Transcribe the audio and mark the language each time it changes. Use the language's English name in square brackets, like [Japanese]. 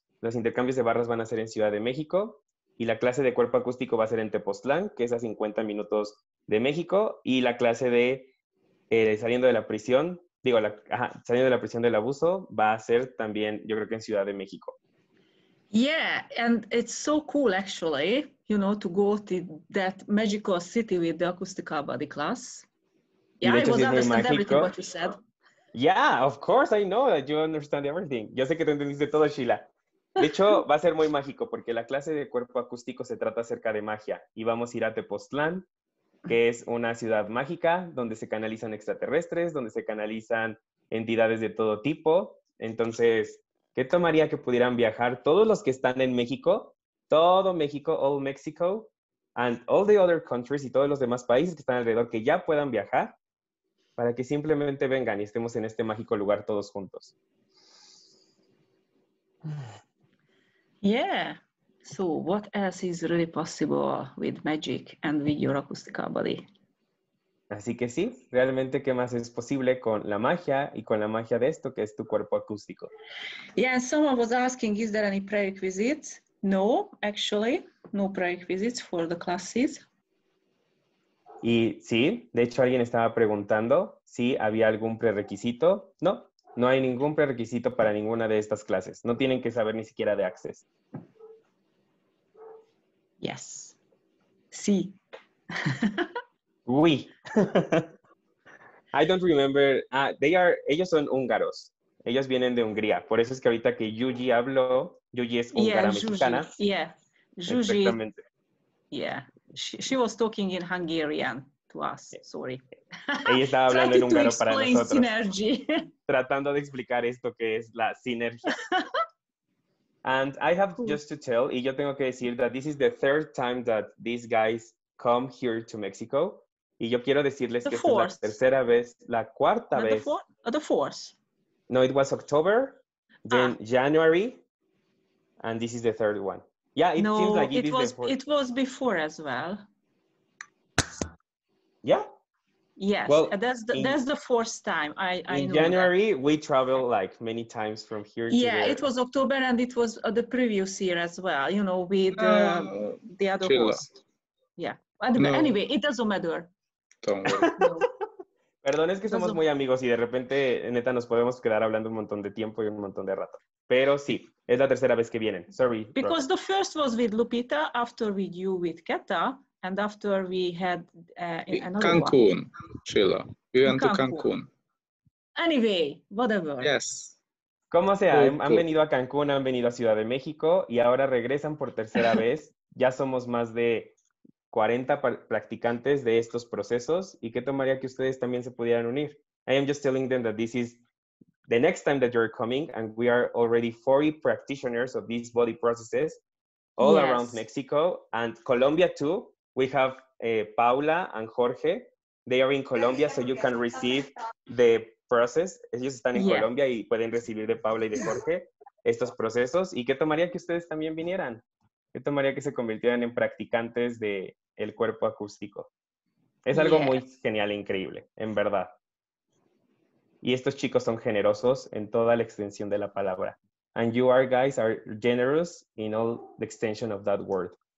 [Spanish] Los intercambios de barras van a ser en Ciudad de México y la clase de cuerpo acústico va a ser en Tepoztlán, que es a 50 minutos de México, y la clase de saliendo de la prisión del abuso va a ser también, yo creo que en Ciudad de México. [English] Yeah, and it's so cool actually, you know, to go to that magical city with the Acoustical Body class. Yeah, [Spanish] hecho, [English] I was understand everything what you said. Yeah, of course, I know that you understand everything. [Spanish] Yo sé que te entendiste todo, Sheila. De hecho, va a ser muy mágico porque la clase de cuerpo acústico se trata acerca de magia y vamos a ir a Tepoztlán, que es una ciudad mágica donde se canalizan extraterrestres, donde se canalizan entidades de todo tipo. Entonces, ¿qué tomaría que pudieran viajar todos los que están en México? Todo México, [English] all Mexico, and all the other countries [Spanish] y todos los demás países que están alrededor que ya puedan viajar para que simplemente vengan y estemos en este mágico lugar todos juntos. [English] Yeah. So what else is really possible with magic and with your Acoustical Body? [Spanish] Así que sí, realmente qué más es posible con la magia y con la magia de esto que es tu cuerpo acústico. [English] Yeah, and someone was asking, is there any prerequisites? No, actually, no prerequisites for the classes. [Spanish] Y sí, de hecho alguien estaba preguntando si había algún prerequisito. No, no hay ningún prerequisito para ninguna de estas clases. No tienen que saber ni siquiera de Access. [English] Yes. [Spanish] Sí. [French] Oui. [English] I don't remember. [Spanish] Ellos son húngaros. Ellos vienen de Hungría. Por eso es que ahorita que Yuji habló, Yuji es húngara mexicana. [English] Yuji. Exactamente. Yeah. She was talking in Hungarian to us. Yeah. Sorry. [Spanish] Ella estaba hablando en húngaro para nosotros. [English] Trying to explain synergy. [Spanish] Tratando de explicar esto que es la sinergia. [English] And I have just to tell, [Spanish] y yo tengo que decir [English] that this is the third time that these guys come here to Mexico. [Spanish] Y yo quiero decirles [English] the [Spanish] que esta es la tercera vez, la cuarta vez. [English] The fourth. No, it was October, then January, and this is the third one. Yeah, it was before as well. Yeah. Yes, well, that's the fourth time. I know January, that. We travel like many times from here yeah, to there. Yeah, it was October and it was the previous year as well, you know, with the other Sheila. Host. Yeah, no. Anyway, it doesn't matter. Don't worry. No. [Spanish] Perdón, es que somos muy amigos y de repente, neta, nos podemos quedar hablando un montón de tiempo y un montón de rato. Pero sí, es la tercera vez que vienen. [English] Sorry. Because Robert. The first was with Lupita, after with you with Keta. And after we had Cancun, Sheila. We went to Cancun. Anyway, whatever. Yes. [Spanish] Como sea, cool. Han venido a Cancún, han venido a Ciudad de México y ahora regresan por tercera vez. Ya somos más de 40 practicantes de estos procesos. ¿Y qué tomaría que ustedes también se pudieran unir? [English] I am just telling them that this is the next time that you're coming and we are already 40 practitioners of these body processes all yes. around Mexico and Colombia too. We have Paula and Jorge. They are in Colombia, so you can receive the process. [Spanish] Ellos están en [English] yeah. [Spanish] Colombia y pueden recibir de Paula y de Jorge estos procesos. ¿Y qué tomaría que ustedes también vinieran? ¿Qué tomaría que se convirtieran en practicantes del cuerpo acústico? Es algo [English] yeah. [Spanish] muy genial e increíble, en verdad. Y estos chicos son generosos en toda la extensión de la palabra. [English] And you are guys are generous in all the extension of that word.